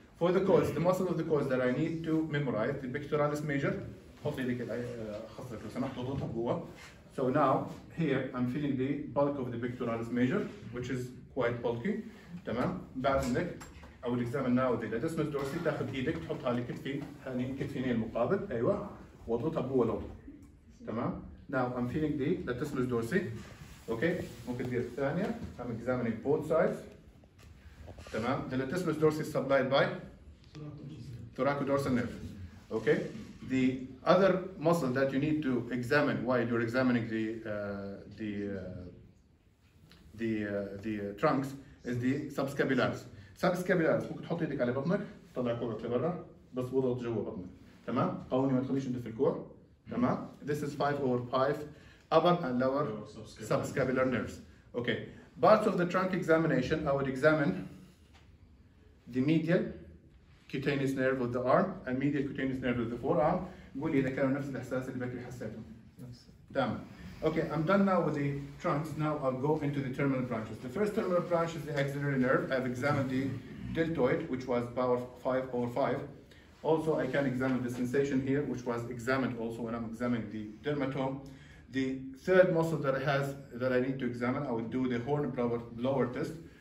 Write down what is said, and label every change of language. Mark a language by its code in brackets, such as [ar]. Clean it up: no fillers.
[en] For the cords, the muscle of the cords that I need to memorize, the pectoralis major. So now here I'm feeling the bulk of the pectoralis major, which is quite bulky. [ar] تمام. بعد النك [en] I would examine now the latissimus dorsi. [ar] تاخذ ايدك تحطها على كتفيني المقابل ايوه واضغطها بقوه لو تمام. [en] Now I'm feeling the latissimus dorsi. Okay. [ar] ممكن تدير الثانيه. [en] I'm examining both sides. تمام. The latissimus dorsi is supplied by thoracodorsal nerve. Okay. The other muscle that you need to examine while you're examining the trunks is the subscapularis. [ar] Subscapularis, ممكن تحط يدك على بطنك تطلع كوعك لبرا بس وضغط جوا بطنك تمام. قوي ما تخليش ندف الكوع تمام. [en] This is 5/5 upper and lower subscapular nerves. Okay. Parts of the trunk examination, I would examine the medial cutaneous nerve of the arm and medial cutaneous nerve of the forearm. [ar] قول لي اذا كانوا نفس الاحساس اللي بكري حسيتهم تمام. [en] Okay, I'm done now with the trunks. Now I'll go into the terminal branches. The first terminal branch is the axillary nerve. I've examined the deltoid, which was power 5/5. Also, I can examine the sensation here, which was examined also when I'm examining the dermatome. The third muscle that I need to examine, I will do the horn blower test.